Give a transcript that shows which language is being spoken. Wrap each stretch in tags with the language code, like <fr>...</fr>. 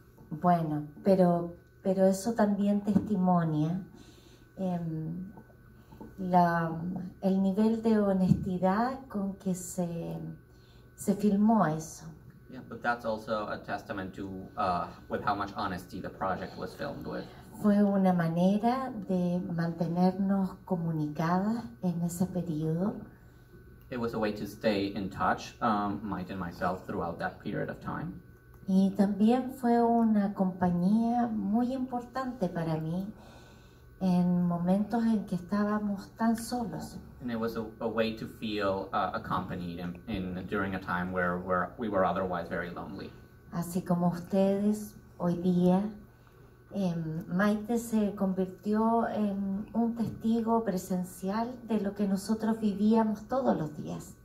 <es>Bueno, pero eso también testimonia el nivel de honestidad con que se filmó eso.</es> <en>Yeah, but that's also a testament to with how much honesty the project was filmed with.</en> <es>Fue una manera de mantenernos comunicadas en ese periodo.</es> <en>It was a way to stay in touch, Maite and myself, throughout that period of time.</en> <es>Y también fue una compañía muy importante para mí en momentos en que estábamos tan solos.</es> <en>And it was a way to feel accompanied during a time where we were otherwise very lonely.</en> <es>Así como ustedes hoy día. Maite se convirtió en un testigo presencial de lo que nosotros vivíamos todos los días.</es>